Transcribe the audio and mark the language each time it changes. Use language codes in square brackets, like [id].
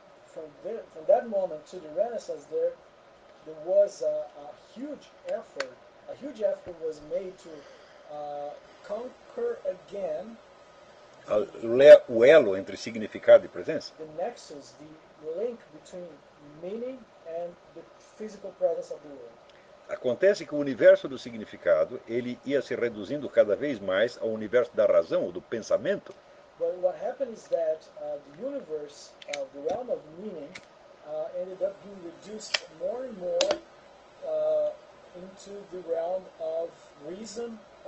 [en] From that moment to the Renaissance, there was a huge effort was made to conquer again [pt] o elo entre significado e presença. [en] The nexus, the link between meaning and the physical presence of the world. [pt] Acontece que o universo do significado ele ia se reduzindo cada vez mais ao universo da razão ou do pensamento. [en] But what happened is that the universe of the realm of meaning ended up being reduced more and more into the realm of reason.